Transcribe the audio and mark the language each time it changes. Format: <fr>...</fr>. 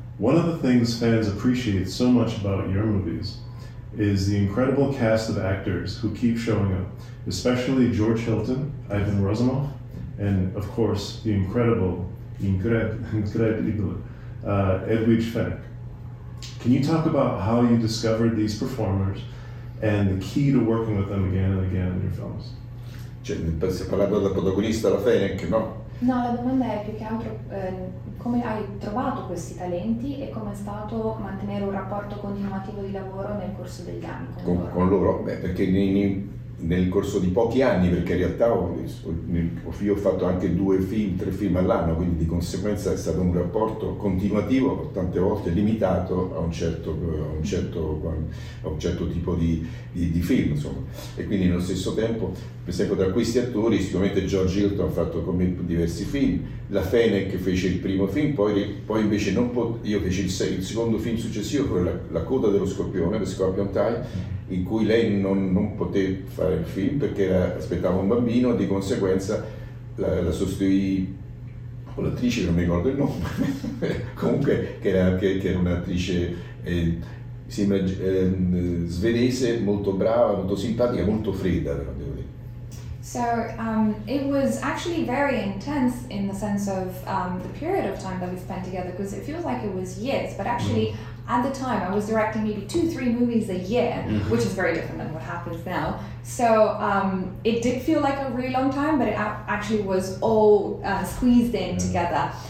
<en>One of the things fans appreciate so much about your movies is the incredible cast of actors who keep showing up, especially George Hilton, Ivan Razumov, and of course, the incredible Edwige Fennec. Can you talk about how you discovered these performers and the key to working with them again and again in your films?</en> <it>Cioè, si è parlato del protagonista, la Fennec, no? No, la domanda è più che altro come hai trovato questi talenti e come è stato mantenere un rapporto continuativo di lavoro nel corso degli anni. Con loro? Beh, perché nel corso di pochi anni, perché in realtà io ho fatto anche tre film all'anno, quindi di conseguenza è stato un rapporto continuativo, tante volte limitato a un certo tipo di film, insomma. E quindi nello stesso tempo, per esempio, tra questi attori, sicuramente George Hilton ha fatto con me diversi film, la Fennec fece il primo film, poi invece io feci il secondo film successivo, quello la coda dello scorpione, The Scorpion Tide, in cui lei non poteva fare il film perché aspettava un bambino, di conseguenza la sostituì con l'attrice, non mi ricordo il nome, comunque che era un'attrice svedese, molto brava, molto simpatica, molto fredda, però devo dire.</it> <en>So it was actually very intense in the sense of the period of time that we spent together, because it feels like it was years, but actually at the time I was directing maybe 2-3 movies a year, which is very different than what happens now. So it did feel like a really long time, but it actually was all squeezed in together.</en>